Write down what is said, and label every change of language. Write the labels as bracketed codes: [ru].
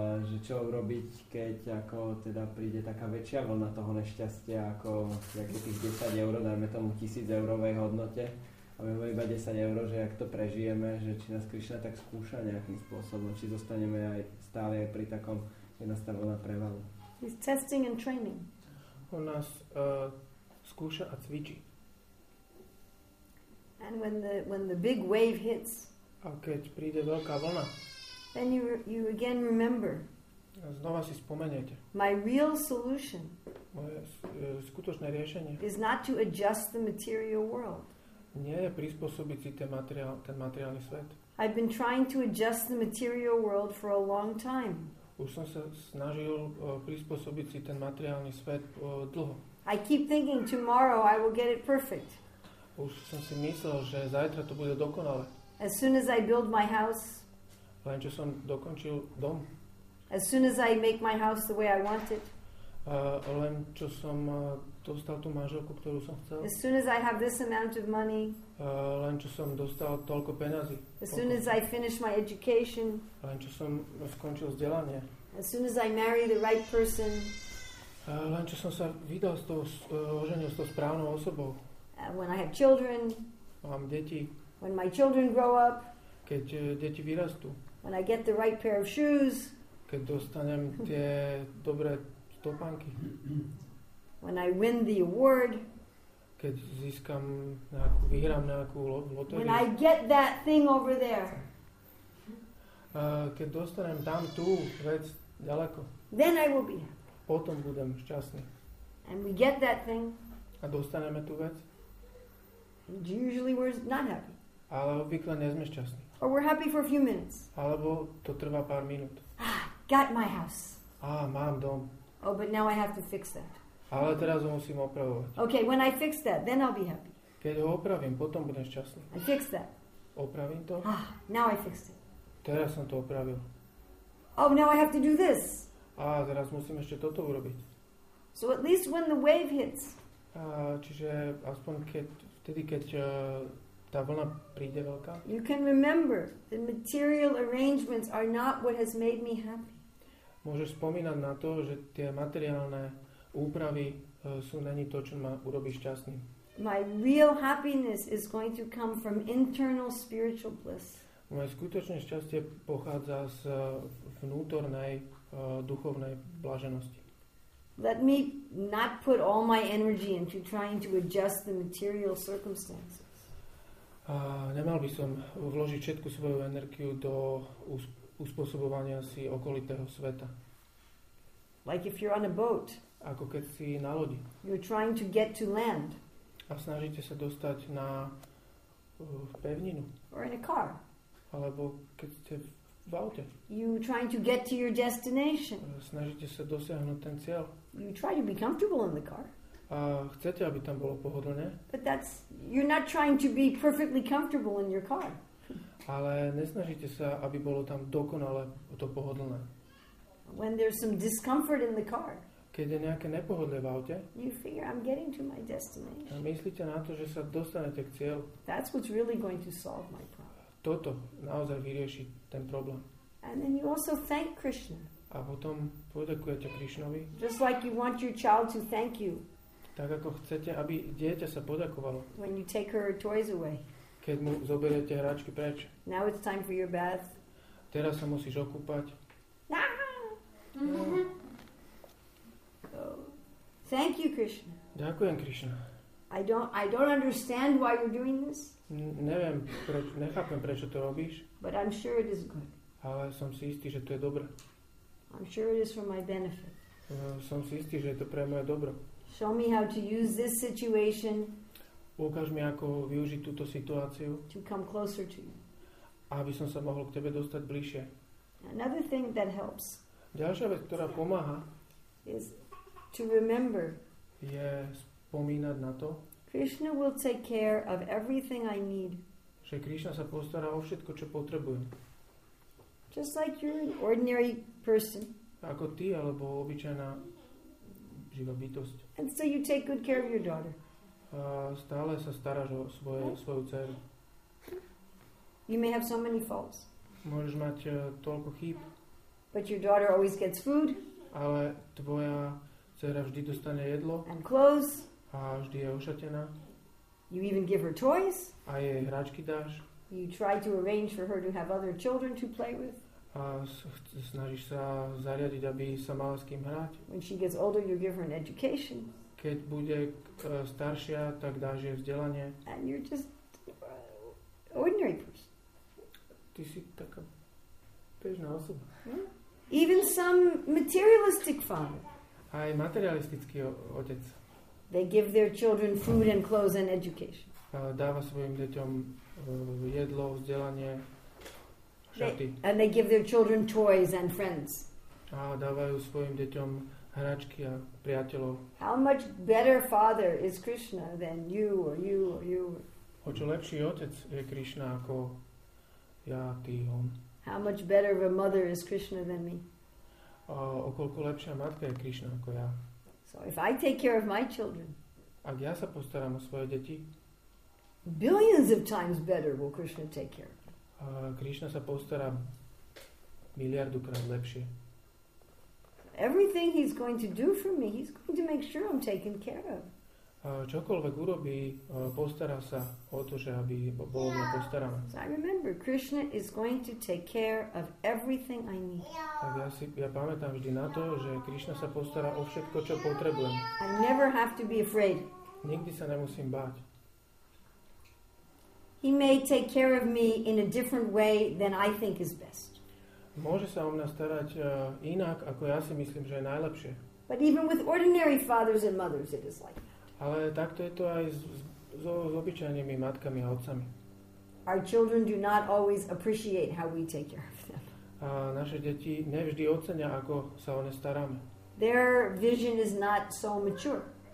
[sk] Že čo urobiť, keď ako teda príde taká väčšia vlna toho nešťastia, ako jak je tých 10 eur, dajme tomu 1000 eurovej hodnote, a my iba 10 eur, že jak to prežijeme, že či nás Krišna tak skúša nejakým spôsobom, či zostaneme aj stále aj pri takom, keď nás tá vlna prevalu. [en] He's testing and training. [sk] On nás skúša a cvičí. [en] And when the big wave hits, [sk] a keď príde veľká vlna, [en] then you again remember. [sk] Znova si spomeniete. [en] My real solution. [sk] Moje skutočné riešenie. [en] Is not to adjust the material world. [sk] Nie je prispôsobiť si ten materiálny svet. [en] I've been trying to adjust the material world for a long time. [sk] Už som sa snažil prispôsobiť si ten materiálny svet dlho. [en] I keep thinking tomorrow I will get it perfect. [sk] Už som si myslel, že zajtra to bude dokonale. [en] As soon as I build my house. [sk] Len čo som dokončil dom. [en] As soon as I make my house the way I want it. [sk] Len čo som dostal tú manželku, ktorú som chcel. [en] As soon as I have this amount of money. [sk] Len čo som dostal toľko peňazí. [en] As soon as I finish my education. [sk] Len čo som skončil vzdelanie. [en] As soon as I marry the right person. [sk] Len čo som sa vydal s tou oženil s tou správnou osobou. [en] When I have children. [sk] Mám deti. [en] When my children grow up. [sk] Keď deti vyrastú. [en] When I get the right pair of shoes. [sk] Keď dostanem tie dobré topánky. [en] When I win the award. [sk] Keď získam nejakú, vyhrám nejakú lotériu. [en] When I get that thing over there. [sk] Keď dostanem tam tú vec ďaleko. [en] Then I will be happy. [sk] Potom budem šťastný. [en] And we get that thing. [sk] A dostaneme tú vec. [en] And usually we're not happy. [sk] Ale obvykle nie sme šťastní. [en] Or we're happy for a few minutes. [sk] Alebo to trvá pár minút. [en] Got my house. [sk] Mám dom. [en] Oh, but now I have to fix that. [sk] Ale teraz ho musím opravovať. [en] Okay, when I fix that, then I'll be happy. [sk] Keď ho opravím, potom budem šťastný. [en] I fix that. [sk] Opravím to. [en] Now I fixed it. [sk] Teraz som to opravil. [en] Oh, now I have to do this. [sk] Teraz musím ešte toto urobiť. [en] So at least when the wave hits. [sk] Čiže aspoň keď tá vlna príde veľká. [en] You can remember the material arrangements are not what has made me happy. [sk] Môžeš spomínať na to, že tie materiálne úpravy sú není to, čo ma urobí šťastný. [en] My real happiness is going to come from internal spiritual bliss. [sk] Moje skutočné šťastie pochádza z vnútornej duchovnej blaženosti. [en] Let me not put all my energy into trying to adjust the material circumstances. [sk] Nemal by som vložiť všetku svoju energiu do uspôsobovania si okolitého sveta. [en] Like if you're on a boat. [sk] Ako keď si na lodi. [en] You're trying to get to land. [sk] A snažíte sa dostať na pevninu. [en] Or in a car. [sk] Alebo keď ste v aute. [en] You trying to get to your destination. [sk] Snažíte sa dosiahnuť ten cieľ. [en] You try to be comfortable in the car. [sk] A chcete, aby tam bolo pohodlne? [en] But that's, you're not trying to be perfectly comfortable in your car. [sk] Ale nesnažíte sa, aby bolo tam dokonale to pohodlné. [en] When there's some discomfort in the car. [sk] Keď je nejaké nepohodlie v aute. [en] You figure I'm getting to my destination. [sk] A myslíte na to, že sa dostanete k cieľu. [en] That's what's really going to solve my problem. [sk] Toto naozaj vyrieši ten problém. [en] And then you also thank Krishna. [sk] A potom poďakujete Krishnovi. [en] Just like you want your child to thank you. [sk] Tak ako chcete, aby dieťa sa poďakovalo. [en] When you take her toys away. [sk] Keď mu zoberiete hračky preč. [en] Now it's time for your bath. [sk] Teraz sa musíš okúpať. Ah! Mm-hmm. [en] Thank you, Krishna. [sk] Ďakujem, Krishna. [en] I don't understand why you're doing this. [sk] Neviem, nechápem, prečo to robíš. [en] But I'm sure it is good. [sk] Ale som si istý, že to je dobré. [en] I'm sure it is for my benefit. [sk] Som si istý, že je to pre moje dobro. [en] Show me how to use this situation. [sk] Ukáž mi, ako využiť túto situáciu. [en] To come closer to you. [sk] Aby som sa mohol k tebe dostať bližšie. [en] Another thing that helps. [sk] Ďalšia vec, ktorá pomáha. [en] Is to remember. [sk] Je spomínať na to. [en] Krishna will take care of everything I need. [sk] Že Krishna sa postará o všetko, čo potrebujem. [en] Just like you're an ordinary person. [sk] Ako ty, alebo obyčajná živá bytosť. [en] And so you take good care of your daughter. [sk] A stále sa staráš o svoju dceru. [en] You may have so many faults. [sk] Môžeš mať toľko chýb. [en] But your daughter always gets food. [sk] Ale tvoja dcera vždy dostane jedlo. [en] And clothes. [sk] A vždy je ošatená. [en] You even give her toys. [sk] A jej hračky dáš. [en] You try to arrange for her to have other children to play with. [sk] A snažíš sa zariadiť, aby sa mala s kým hrať. [en] When she gets older, you give her an education. [sk] Keď bude staršia, tak dáš jej vzdelanie. [en] And you're just ordinary person. [sk] Ty si taká bežná osoba. [en] Even some materialistic father. [sk] Aj materialistický otec. [en] They give their children food and clothes and education. [sk] Dáva svojim deťom jedlo, vzdelanie, šaty. [en] And they give their children toys and friends. [sk] A dávajú svojim deťom hračky a priateľov. [en] How much better father is Krishna than you or you or you? [sk] O čo lepší otec je Krishna ako ja, ty, on. [en] How much better of a mother is Krishna than me? [sk] O koľko lepšia matka je Krishna ako ja. [en] So if I take care of my children, [sk] ak ja sa postaram o svoje deti, [en] billions of times better will Krishna take care of me. [sk] Krishna sa postará miliardukrát lepšie. [en] Everything he's going to do for me, he's going to make sure I'm taken care of. [sk] Čokoľvek urobí, postará sa o to, že aby bolo mňa postarané. [en] So I remember, Krishna is going to take care of everything I need. [sk] Tak ja pamätám vždy na to, že Krishna sa postará o všetko, čo potrebujem. [en] I never have to be afraid. [sk] Nikdy sa nemusím báť. [en] He may take care of me in a different way than I think is best. [sk] Môže sa o mňa starať inak, ako ja si myslím, že je najlepšie. [en] But even with ordinary fathers and mothers it is like. [sk] Ale takto je to aj s obyčajnými matkami a otcami. [en] Our children do not always appreciate how we take care of them. [sk] A naše deti nevždy ocenia, ako sa o ne staráme. [en] Their vision is not so mature.